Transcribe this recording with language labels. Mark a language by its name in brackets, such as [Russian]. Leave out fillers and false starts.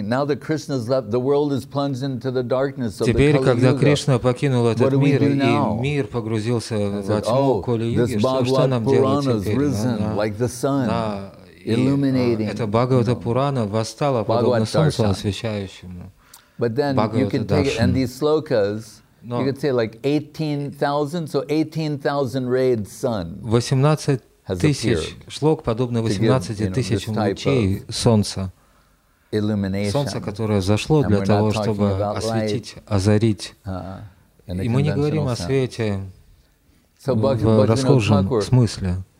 [English] Now that Krishna's left, the world is plunged into the darkness of the Kali Yuga. [Russian] Когда Кришна покинул этот мир, и мир погрузился во тьму Кали-юги, что нам делать теперь? И это Бхагавата Пурана восстала подобно солнцу освещающему. [English] But then you can take it, and these slokas, you could say like 18,000, so 18,000 rays sun. [Russian] 18,000 шлок подобно 18,000 лучей солнца. Солнце, которое зашло для того, чтобы осветить, озарить. И мы не говорим о свете в расхожем смысле.